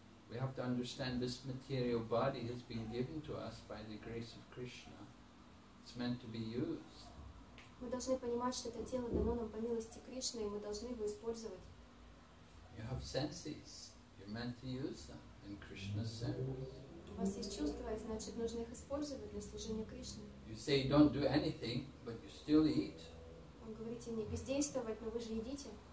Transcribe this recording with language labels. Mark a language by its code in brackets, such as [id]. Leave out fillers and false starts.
[en] We have to understand this material body has been given to us by the grace of Krishna. It's meant to be used. [ru] Мы должны понимать, что это тело дано нам по милости Кришны, и мы должны его использовать. [en] You have senses. You're meant to use them in Krishna's service. [ru] У вас есть чувства, и значит, нужно их использовать для служения Кришне. [en] You say don't do anything, but you still eat. [ru] Вы говорите не бездействовать, но вы же едите.